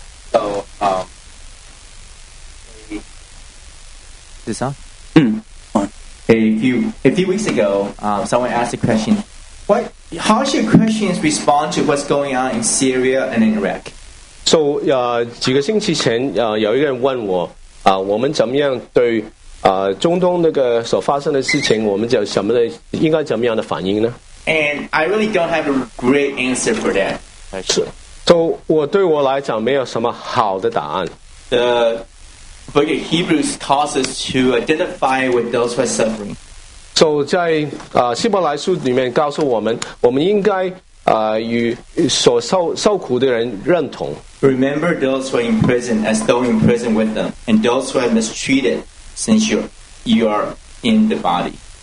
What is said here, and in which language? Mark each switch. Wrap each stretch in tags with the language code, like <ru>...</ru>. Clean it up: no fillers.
<en>So, is this on? A few weeks ago, someone asked a question. How should Christians respond to what's going on in Syria and in Iraq?</en> <zh>So, 几个星期前有一个人问我我们怎么样对中东那个所发生的事情我们叫什么的应该怎么样的反应呢</zh> <en>And I really don't have a great answer for that.</en> <zh>是 So, 我对我来讲没有什么好的答案</zh> <en>The book of Hebrews calls us to identify with those who are suffering.</en> <zh>So, 在希伯来书里面告诉我们我们应该与所受苦的人认同</zh> <en>Remember those who are in prison as though in prison with them and those who are mistreated since you are in the body</en>